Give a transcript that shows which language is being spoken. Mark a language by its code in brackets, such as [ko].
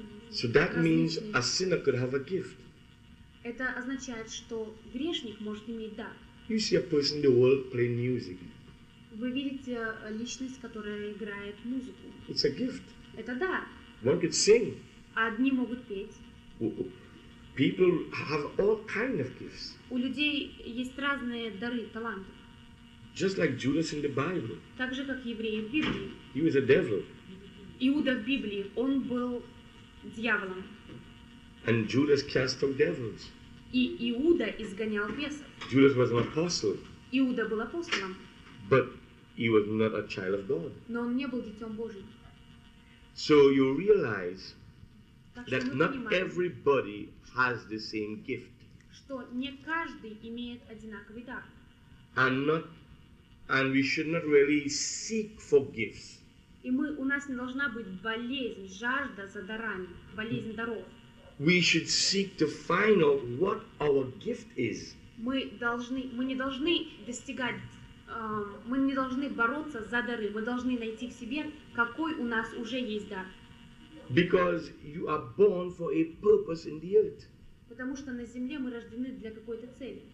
[en] So that means a sinner could have a gift. [ru] Это означает, что грешник может иметь дар. [en] You see a person in the world play music. [ru] Вы видите личность, которая играет музыку. [en] It's a gift. [ru] Это дар. [en] One could sing. [ru] Одни могут петь. [en] People have all kind of gifts. [ru] У людей есть разные дары, таланты. [en] Just like Judas in the Bible. [ru] Так же, как евреи в Библии. [en] He was a devil. [ru] Иуда в Библии, он был дьяволом. [en] And Judas cast out devils. [ru] И Иуда изгонял бесов. [en] Judas was an apostle. [ru] Иуда был апостолом. [en] But he was not a child of God. [ru] Но он не был детем Божьим. [en] So you realize That not everybody has the same gift. [ru] Что не каждый имеет одинаковый дар. [en] And we should not really seek for gifts. [ru] И мы у нас не должна быть болезнь, жажда за дарами, болезнь даров. [en] We should seek to find out what our gift is. [ru] Мы не должны бороться за дары. Мы должны найти в себе, какой у нас уже есть дар. [en] Because you are born for a purpose in the earth. [ru] Потому что на земле мы рождены для какой-то цели.